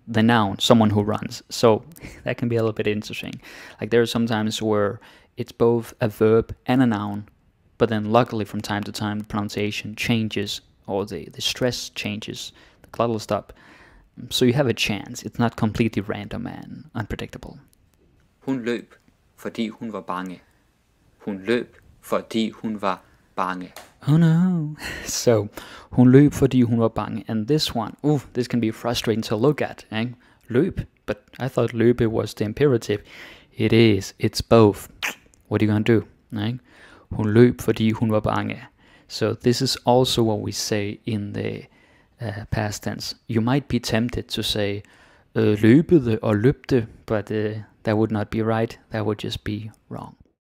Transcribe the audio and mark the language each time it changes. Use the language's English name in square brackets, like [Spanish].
[English] The noun, someone who runs. So that can be a little bit interesting. Like there are sometimes where it's both a verb and a noun, but then luckily from time to time the pronunciation changes, or the stress changes, the glottal stop. So you have a chance. It's not completely random and unpredictable. [Danish] Hun løb, fordi hun var bange. Hun løb, fordi hun var bange. [English] Oh no. So, [Danish] hun løb, fordi hun var bange. [English] And this one, ooh, this can be frustrating to look at. Eh? Løb, but I thought løbe was the imperative. It is. It's both. What are you going to do? Eh? [Danish] Hun løb, fordi hun var bange. [English] So this is also what we say in the past tense. You might be tempted to say [Danish] løbede og løbte, [English] but that would not be right. That would just be wrong.